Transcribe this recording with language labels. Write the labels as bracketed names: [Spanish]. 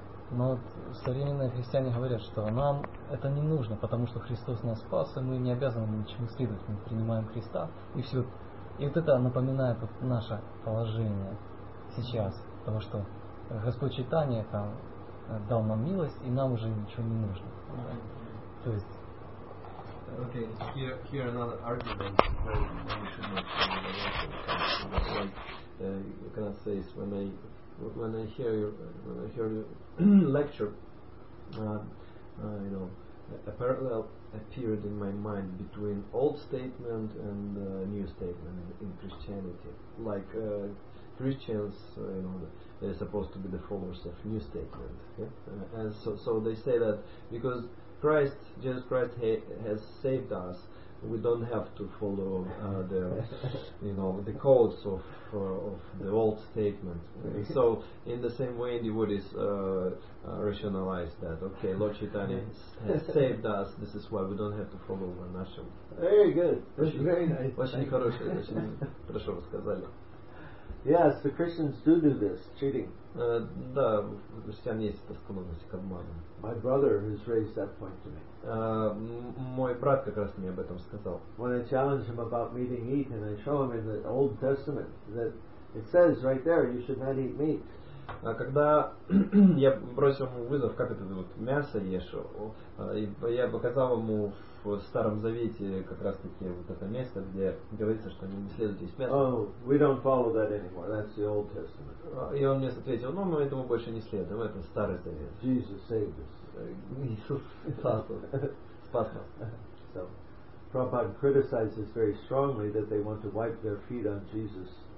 [Russian] Но вот современные христиане говорят, что нам это не нужно, потому что Христос нас спас, и мы не обязаны ничему следовать. Мы принимаем Христа, и все. И вот это напоминает вот наше положение сейчас. Потому что Господь Чайтанья там дал нам милость, и нам уже ничего не нужно. То есть... [English] Okay, here another argument for mentioning when I hear you lecture, a parallel appeared in my mind between old statement and new statement in Christianity. Like Christians, they're supposed to be the followers of new statement. Yeah? And so they say that because Christ, Jesus Christ, has saved us, we don't have to follow the codes of the old statement. So in the same way, devotees rationalize that. Okay, Lord Chaitanya has saved us. This is why we don't have to follow the national. Very good. That's very nice. [Russian] Очень хорошо сказали. [English] Yes, the Christians do this, cheating. [Russian] Да, христиане есть эта склонность к обману. [English] My brother has raised that point to me. [Russian] Мой брат как раз мне об этом сказал. [English] When I challenge him about meat and eat, and I show him in the Old Testament that it says right there, you should not eat meat. [Russian] Когда я бросил ему вызов, как это вот мясо ешь, я показал ему в Старом Завете как раз таки вот это место, где говорится, что не следует есть мясо. [English] Oh, we don't follow that anymore. That's the Old Testament. [Russian] И он мне ответил: ну, мы этому больше не следуем, это Старый Завет. [English] Jesus saved us. [Russian] Спас нас. [English] So, Prabhupada criticizes very strongly that they want to wipe their feet on Jesus.